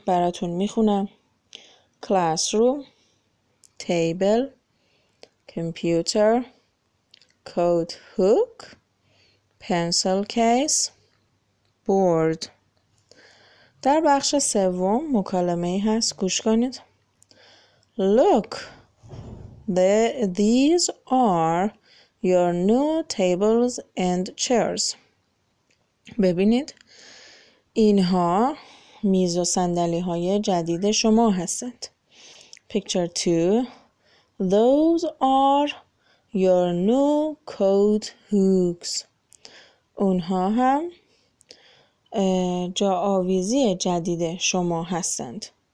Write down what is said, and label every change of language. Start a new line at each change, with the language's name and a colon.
Persian: براتون میخونم:
English: classroom، table، computer، coat hook، pencil case، board.
Persian: در بخش سوم مکالمه ای هست، گوش کنید.
English: look، these are your new tables and chairs.
Persian: ببینید، اینها میز و صندلی های جدید شما هستند.
English: Picture 2. Those are your new coat hooks.
Persian: اونها هم جا آویزی جدید شما هستند.